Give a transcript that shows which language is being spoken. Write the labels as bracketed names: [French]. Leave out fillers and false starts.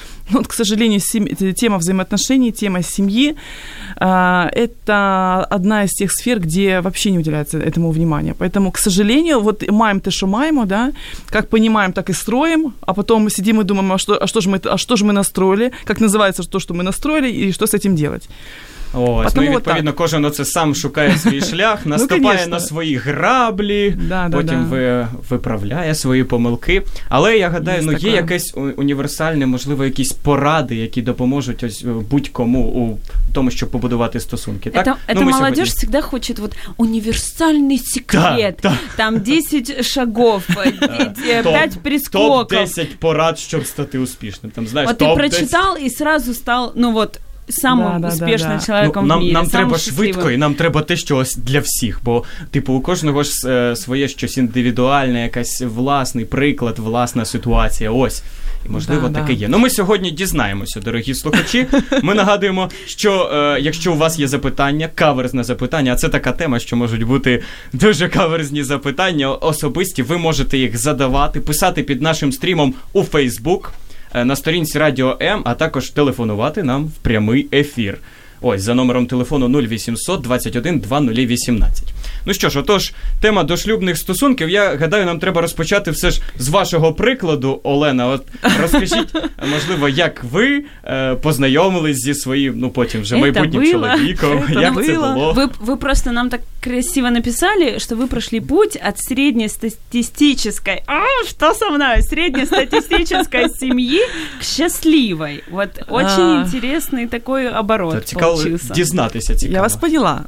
[Russian] Но, к сожалению, тема взаимоотношений, тема семьи – это одна из тех сфер, где вообще не уделяется этому внимания. Поэтому, к сожалению, вот маем то, что маем, да, как понимаем, так и строим, а потом мы сидим и думаем, а что же мы настроили, как называется то, что мы настроили, и что с этим делать. [Ukrainian] Ось, ну і відповідно, кожен оце сам шукає свій шлях, наступає на свої граблі, потім виправляє свої помилки. Але я гадаю, ну є якесь універсальне, можливо, якісь поради, які допоможуть ось будь-кому у тому, щоб побудувати стосунки. Так? [Russian] Это молодежь всегда хочет вот [Ukrainian] універсальний секрет. [Russian] Там 10 шагов, 5 прискоків. [Ukrainian] Топ 10 порад, щоб стати успішним. Там, знаєш, от ти прочитав і сразу став, ну вот, самим успішним чоловіком в мірі. Нам треба швидко, і нам треба те, що ось для всіх, бо, типу, у кожного ж своє щось індивідуальне, якась власний приклад, власна ситуація, ось. І, можливо, таке є. Ну, ми сьогодні дізнаємося, дорогі слухачі. Ми нагадуємо, що якщо у вас є запитання, каверзне запитання, а це така тема, що можуть бути дуже каверзні запитання особисті, ви можете їх задавати, писати під нашим стрімом у Facebook, на сторінці Радіо М, а також телефонувати нам в прямий ефір. Ось, за номером телефону 0800-21-2018. Ну що ж, отож, тема дошлюбних стосунків. Я гадаю, нам треба розпочати все ж з вашого прикладу, Олена. От розкажіть, можливо, як ви познайомились зі своїм, ну потім вже майбутнім чоловіком. Як це було? Ви просто нам так красиво написали, [Russian] что вы прошли путь от среднестатистической... А, что со мной? Среднестатистической семьи к счастливой. Вот очень интересный такой оборот получился. [Ukrainian] Дизнатися цікаво. [Russian] Я вас поняла.